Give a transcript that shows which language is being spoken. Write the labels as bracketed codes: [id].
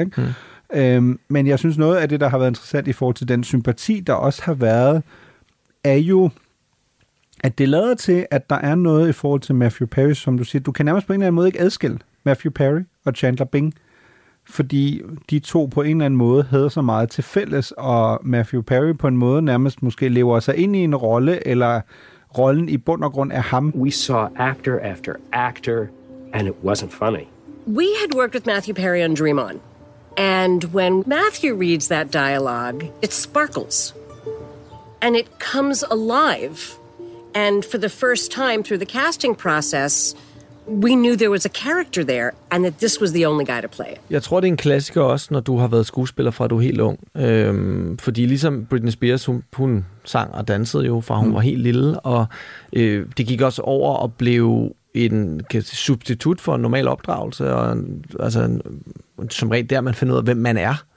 [da] Ikke? Men jeg synes, noget af det, der har været interessant i forhold til den sympati, der også har været, er jo, at det lader til, at der er noget i forhold til Matthew Perry, som du siger, du kan nærmest på en eller anden måde ikke adskille Matthew Perry og Chandler Bing, fordi de to på en eller anden måde havde så meget til fælles, og Matthew Perry på en måde nærmest måske lever sig ind i en rolle, eller rollen i bund og grund er ham. [en] We saw actor after actor, and it wasn't funny. We had worked with Matthew Perry on Dream On, and when Matthew reads that dialogue, it sparkles, and it comes alive, and for the first time through the casting process, we knew there was a character there, and that this was the only guy to play it. [da] Jeg tror, det er en klassiker også, når du har været skuespiller fra, du er helt ung. Fordi ligesom Britney Spears, hun sang og dansede jo, fra hun var helt lille, og det gik også over og blev en substitut for en normal opdragelse, og altså, som regel der, man finder ud af, hvem man er.